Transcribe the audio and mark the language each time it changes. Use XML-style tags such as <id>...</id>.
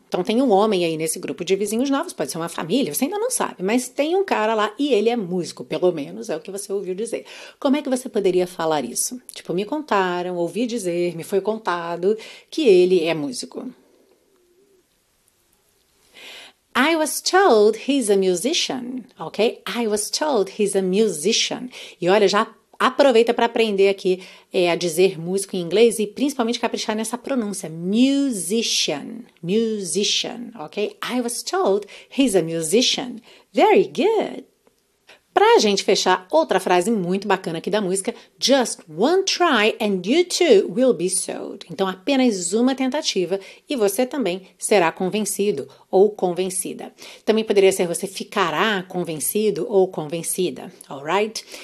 <pt>Então tem um homem aí nesse grupo de vizinhos novos, pode ser uma família, você ainda não sabe, mas tem um cara lá e ele é músico, pelo menos é o que você ouviu dizer. Como é que você poderia falar isso? Tipo, me contaram, ouvi dizer, me foi contado que ele é músico.</pt> <en>I was told he's a musician, ok? I was told he's a musician.</en> <pt>E olha, já aproveita para aprender aqui a dizer músico em inglês e principalmente caprichar nessa pronúncia, musician, musician, ok?</pt> <en>I was told he's a musician. Very good.</en> <pt>Para a gente fechar, outra frase muito bacana aqui da música,</pt> <en>just one try and you too will be sold.</en> <pt>Então, apenas uma tentativa e você também será convencido ou convencida. Também poderia ser você ficará convencido ou convencida, alright?</pt>